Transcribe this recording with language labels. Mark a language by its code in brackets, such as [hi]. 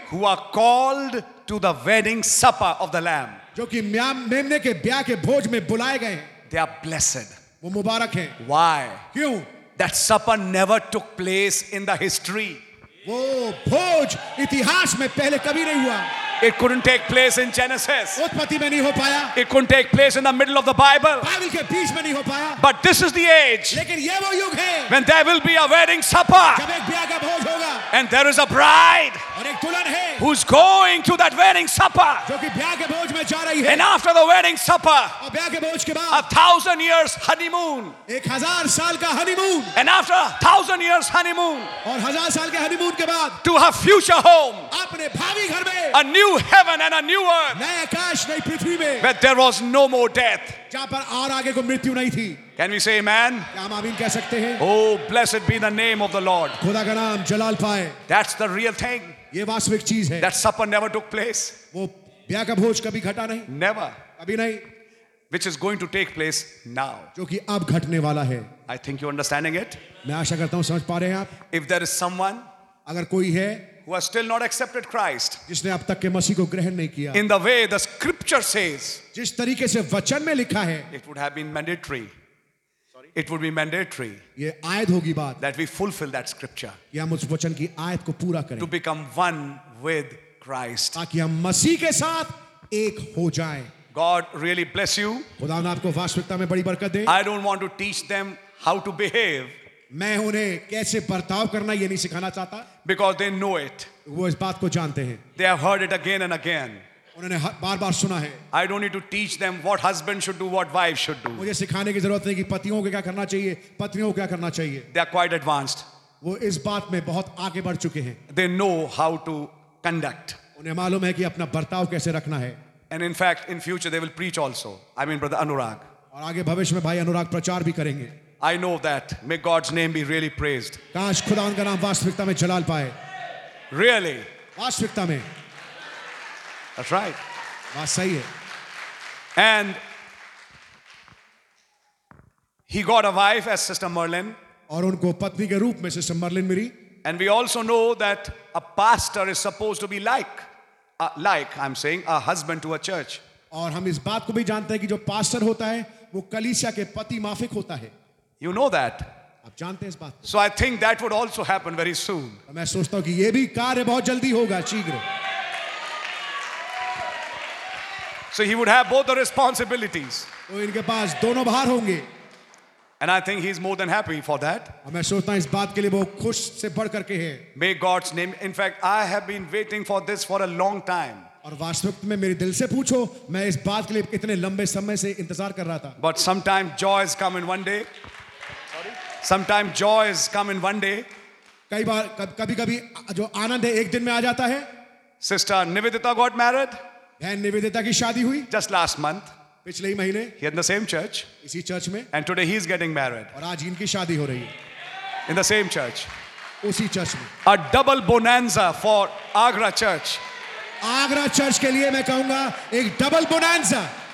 [en] Who are called to the wedding supper of the Lamb. [hi] जो कि मेमने के ब्याह के भोज में बुलाए गए हैं. [en] They are blessed. [hi] वो मुबारक हैं. [en] Why? [hi] क्यों? [en] That supper never took place in the history. [hi] वो भोज इतिहास में पहले कभी नहीं हुआ. [en] It couldn't take place in Genesis. [hi] उत्पत्ति में नहीं हो पाया. [en] It couldn't take place in the middle of the Bible. [hi] Bible के बीच में नहीं हो पाया. [en] But this is the age. [hi] लेकिन ये वो युग है. [en] When there will be a wedding supper. [hi] जब एक ब्याह का भोज होगा. [en] And there is a bride. [hi] और एक दुल्हन है. [en] Who's going to that wedding supper? [hi] जो कि ब्याह के भोज में जा रही है. [en] And after the wedding supper. [hi] और ब्याह के भोज के बाद. [en] A 1,000 years honeymoon. [hi] एक हजार साल का honeymoon. [en] And after 1,000 years honeymoon. [hi] और हजार साल के हनीमून के बाद. [en] To her future home. [hi] अपने भावी घर में. [en] A new heaven and a new earth. [hi] नया आकाश नई पृथ्वी में. [en] But there was no more death. [hi] जहाँ पर और आगे को मृत्यु नहीं थी. [en] Can we say amen? [hi] क्या हम आमीन कह सकते हैं? [en] Oh, blessed be the name of the Lord. [hi] खुदा का नाम जलाल पाए. [en] That's the real thing. [hi] ये वास्तविक चीज है. [en] That supper never took place. [hi] वो ब्याह का भोज कभी घटा नहीं. [en] Never. [hi] कभी नहीं. [en] which is going to take place now. [hi] जो कि अब घटने वाला है. [en] I think you're understanding it. [hi] मैं आशा करता हूँ समझ पा रहे हैं आप. [en] If there is someone, [hi] अगर कोई है, [en] who has still not accepted Christ, [hi] जिसने अब तक के मसीह को ग्रहण नहीं किया, [en] in the way the Scripture says, [hi] जिस तरीके से वचन में लिखा है, [en] it would have been mandatory. It would be mandatory [hi] ये आयत होगी बात [en] that we fulfill that scripture [hi] कि हम उस वचन की आयत को पूरा करें [en] to become one with Christ [hi] ताकि हम मसीह के साथ एक हो जाएं. [en] God really bless you. [hi] खुदा ने आपको वास्तविकता में बड़ी बरकत दे. [en] I don't want to teach them how to behave. [hi] मैं उन्हें कैसे बर्ताव करना ये नहीं सिखाना चाहता. [en] Because they know it. [hi] वो इस बात को जानते हैं. [en] They have heard it again and again. [hi] उन्होंने बार बार सुना है. [en] I don't need to teach them what husband should do, what wife should do. [hi] मुझे सिखाने की जरूरत नहीं कि पतियों को क्या करना चाहिए, पत्नियों को क्या करना चाहिए. [en] They are quite advanced. [hi] वो इस बात में बहुत आगे बढ़ चुके हैं. [en] They know how to conduct. [hi] उन्हें मालूम है कि अपना बर्ताव कैसे रखना है. [en] And in fact, in future they will preach also. I mean, brother Anurag. [hi] और आगे भविष्य में भाई अनुराग प्रचार भी करेंगे. [en] I know that. May God's name be really praised. [hi] काश खुदा का नाम वास्तविकता में जलाल पाए. [en] Really. [hi] वास्तविकता में. [en] That's right. And he got a wife as Sister Merlin. [hi] और उनको पत्नी के रूप में sister Merlin milli. [en] And we also know that a pastor is supposed to be like a husband to a church. [hi] और हम इस बात को भी जानते हैं कि जो पास्टर होता है वो कलीसिया के पति माफिक होता है. [en] You know that. [hi] आप जानते हैं इस बात. [en] So I think that would also happen very soon. [hi] मैं सोचता हूँ कि ये भी कार्य बहुत जल्दी होगा शीघ्र. [en] So he would have both the responsibilities. [hi] तो इनके पास दोनों भार होंगे. [en] And I think he's more than happy for that. [hi] और मैं सोचता हूँ इस बात के लिए वो खुश से बढ़ करके हैं. [en] May God's name. In fact, I have been waiting for this for a long time. [hi] और वास्तविक में मेरे दिल से पूछो, मैं इस बात के लिए इतने लंबे समय से इंतजार कर रहा था. [en] But sometimes joys come in one day. Sometimes joys come in one day. [hi] कई बार कभी-कभी जो आनंद है एक दिन में आ जाता है. [en] Sister Nivedita got married. [hi] बहन निवेदिता की शादी हुई. [en] Just last month. [hi] पिछले ही महीने. [en] He had the same church. [hi] इसी चर्च में. [en] And today he is getting married. [hi] और आज इनकी शादी हो रही है. [en] In the same church. [hi] उसी चर्च में. [en] A double bonanza for Agra Church. [hi] Agra church के लिए मैं कहूंगा एक [en] double bonanza.